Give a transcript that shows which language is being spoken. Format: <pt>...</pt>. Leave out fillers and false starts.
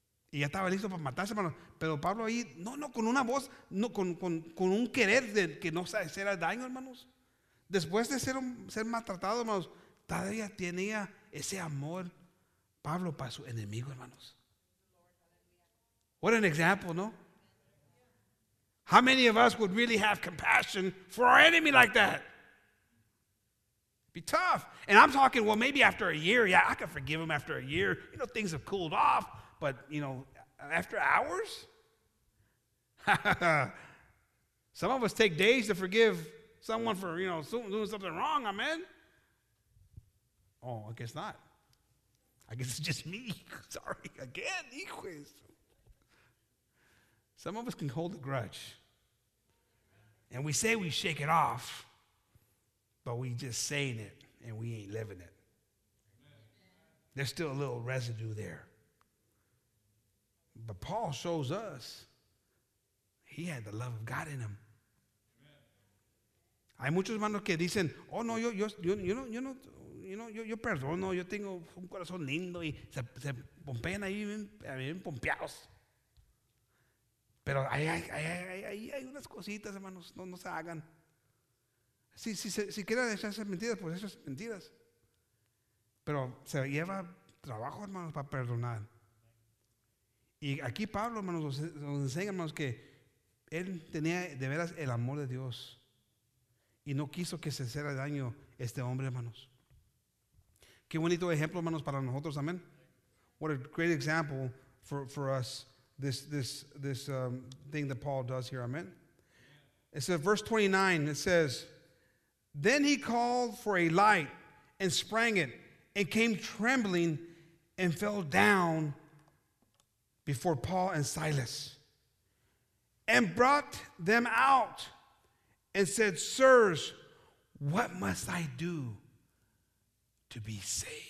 <es>Y ya estaba listo para matarse, hermano. Pero Pablo ahí, no, con una voz, no, con un querer de que no se hiciera daño, hermanos. Después de ser maltratado, hermanos, todavía tenía ese amor, Pablo, para su enemigo, hermanos.</es> <en>What an example, ¿no? How many of us would really have compassion for our enemy like that? Be tough. And I'm talking, well, maybe after a year, yeah, I can forgive him after a year. You know, things have cooled off. But, you know, after hours? Some of us take days to forgive someone for, you know, doing something wrong, amen? Oh, I guess not. I guess it's just me. Sorry, again, hijos. Some of us can hold a grudge. And we say we shake it off. But we just saying it, and we ain't living it. There's still a little residue there. But Paul shows us he had the love of God in him.</en> <es>Hay muchos hermanos que dicen, oh no, yo perdono, yo tengo un corazón lindo y se pompean ahí bien pompeados. Pero hay unas cositas, hermanos, no se hagan. Si quieren echarse mentiras, pues esas mentiras. Pero se lleva trabajo, hermanos, para perdonar. Y aquí Pablo, hermanos, nos enseña, hermanos, que él tenía de veras el amor de Dios. Y no quiso que se hiciera daño este hombre, hermanos. Qué bonito ejemplo, hermanos, para nosotros, amén.</es> <en>What a great example for us, this thing that Paul does here, amén. It says, verse 29, it says, then he called for a light and sprang it and came trembling and fell down before Paul and Silas and brought them out and said, sirs, what must I do to be saved?</en>